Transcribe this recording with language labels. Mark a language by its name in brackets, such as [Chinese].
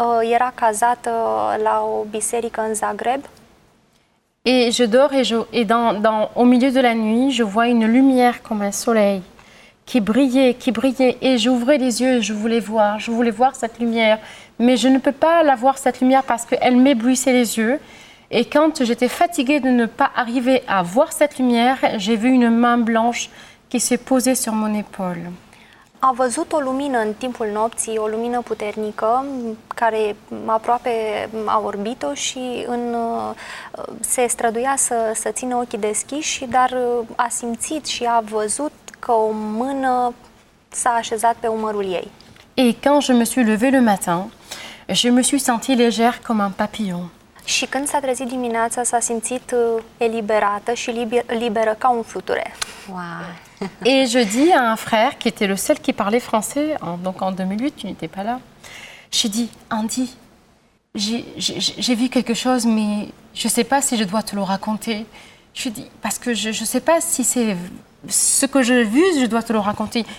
[Romanian] Era cazată la o biserică în Zagreb. [French] Et je dors et dans au milieu de la nuit, je vois une lumière comme un soleil qui brillait et j'ouvrais les yeux, je voulais voir cette lumière, mais je ne peux pas la voir cette lumière parce qu'elle m'éblouissait les yeux. Et quand j'étais fatiguée de ne pas arriver à voir cette lumière, j'ai vu une main blanche qui s'est posée sur mon épaule. [Romanian] A văzut o lumină în timpul nopții, o lumină puternică, care aproape a orbit-o și se străduia să țină ochii deschiși, dar a simțit și a văzut că o mână s-a așezat pe umărul ei. [French] Et quand je me suis levée le matin, je me suis sentie légère comme un papillon. [Romanian] Și când s-a trezit dimineața, s-a simțit eliberată și liberă ca un fluture. Wow. [French] Et je dis à un frère qui était le seul qui parlait français, donc en 2008, tu n'étais pas là. J'ai dit, Andy, j'ai vu quelque chose, mais je ne sais pas si je dois te le raconter. Je dis, parce que je ne sais pas si c'est ce que j'ai vu, je dois te le raconter.